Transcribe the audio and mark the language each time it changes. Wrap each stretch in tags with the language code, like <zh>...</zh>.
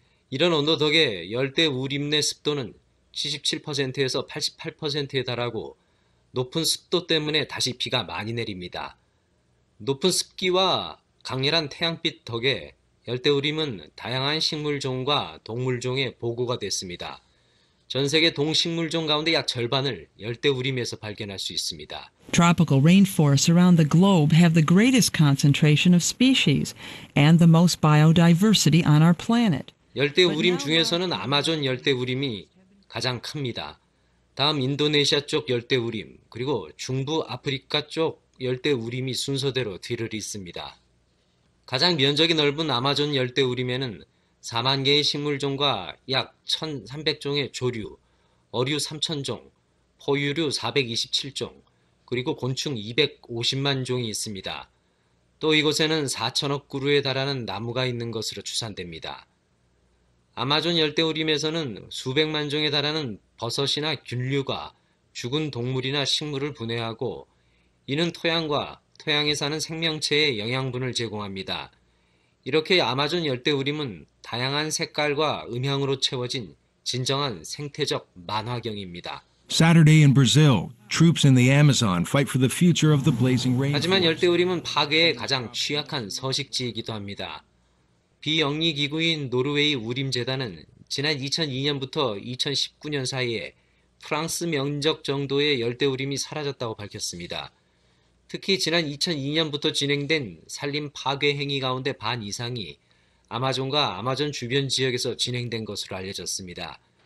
<ko>이런 온도 덕에 열대우림 내 습도는 77%에서 88%에 달하고 높은 습도 때문에 다시 비가 많이 내립니다. 높은 습기와 강렬한 태양빛 덕에 열대우림은 다양한 식물종과 동물종의 보고가 됐습니다. 전 세계 동식물종 가운데 약 절반을 열대우림에서 발견할 수 있습니다.</ko> <en>Tropical rainforests around the globe have the greatest concentration of species and the most biodiversity on our planet.</en> <ko>열대우림 중에서는 아마존 열대우림이 가장 큽니다. 다음 인도네시아 쪽 열대우림, 그리고 중부 아프리카 쪽 열대우림이 순서대로 뒤를 잇습니다. 가장 면적이 넓은 아마존 열대우림에는 4만 개의 식물종과 약 1,300종의 조류, 어류 3,000종, 포유류 427종, 그리고 곤충 250만 종이 있습니다. 또 이곳에는 4천억 그루에 달하는 나무가 있는 것으로 추산됩니다. 아마존 열대우림에서는 수백만 종에 달하는 버섯이나 균류가 죽은 동물이나 식물을 분해하고 이는 토양과 토양에 사는 생명체에 영양분을 제공합니다. 이렇게 아마존 열대우림은 다양한 색깔과 음향으로 채워진 진정한 생태적 만화경입니다.</ko> <en>Saturday in Brazil, troops in the Amazon fight for the future of the blazing rain.</en> <ko>하지만 열대 우림은 파괴에 가장 취약한 서식지이기도 합니다. 비영리 기구인 노르웨이 우림 재단은 지난 2002년부터 2019년 사이에 프랑스 면적 정도의 열대 우림이 사라졌다고 밝혔습니다. 특히 지난 2002년부터 진행된 산림 파괴 행위 가운데 반 이상이 아마존과 아마존 주변 지역에서 진행된 것으로 알려졌습니다.</ko>